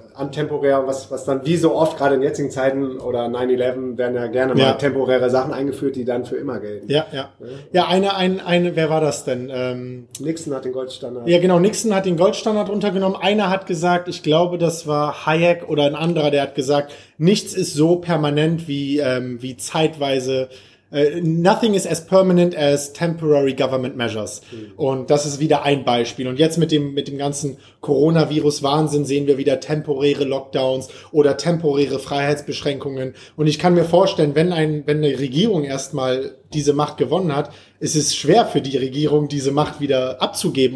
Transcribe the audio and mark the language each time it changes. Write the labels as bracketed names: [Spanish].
[German] An temporär, was dann wie so oft, gerade in jetzigen Zeiten oder 9/11, werden ja gerne mal temporäre Sachen eingeführt, die dann für immer gelten. Ja, ja. Ja, eine, wer war das denn? Nixon hat den Goldstandard. Ja, genau, Nixon hat den Goldstandard runtergenommen. Einer hat gesagt, ich glaube, das war Hayek oder ein anderer, der hat gesagt, nichts ist so permanent wie zeitweise. [English] Nothing is as permanent as temporary government measures. [German] Und das ist wieder ein Beispiel. Und jetzt mit dem ganzen Coronavirus-Wahnsinn sehen wir wieder temporäre Lockdowns oder temporäre Freiheitsbeschränkungen. Und ich kann mir vorstellen, wenn eine Regierung erstmal diese Macht gewonnen hat, ist es schwer für die Regierung, diese Macht wieder abzugeben.